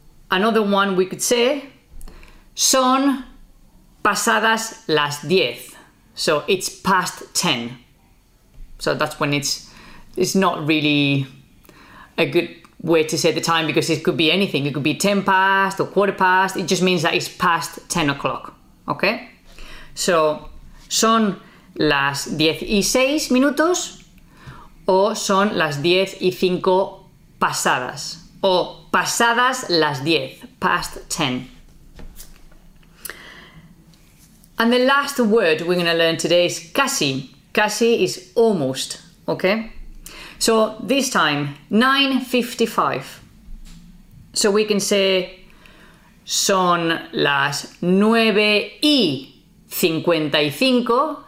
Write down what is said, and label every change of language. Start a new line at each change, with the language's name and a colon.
English: Another one we could say,
Spanish: son pasadas las 10.
English: So it's past 10. So that's when it's not really a good way to say the time, because it could be anything. It could be 10 past or quarter past. It just means that it's past 10 o'clock. Okay?
Spanish: So son las 10:06 o son las 10:05 o pasadas las 10,
English: past 10. And the last word we're going to learn today is casi. Casi is almost, okay? So this time, 9:55. So we can say
Spanish: son las 9:55.